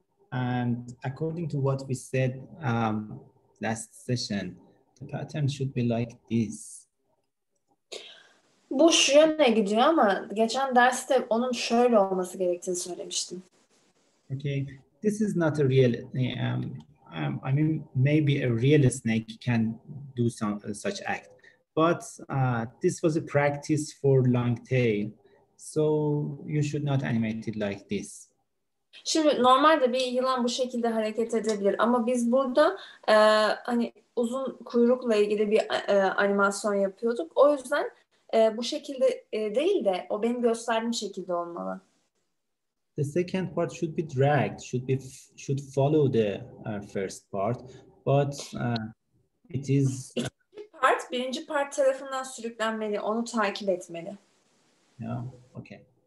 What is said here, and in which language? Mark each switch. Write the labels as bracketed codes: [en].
[en] And according to what we said last session, the pattern should be like this. [tr] Bu şu yöne gidiyor ama geçen derste onun şöyle olması gerektiğini söylemiştim. [en] Okay, this is not a real, I mean, maybe a real snake can do some such act. But this was a practice for long tail. So you should not animate it like this. [tr] Şimdi normalde bir yılan bu şekilde hareket edebilir ama biz burada hani uzun kuyrukla ilgili bir animasyon yapıyorduk. O yüzden bu şekilde değil de o benim gösterdiğim şekilde olmalı. [en] The second part should be dragged, should follow the first part, but it is... [tr] Birinci part tarafından sürüklenmeli, onu takip etmeli. [en] Yeah, okay.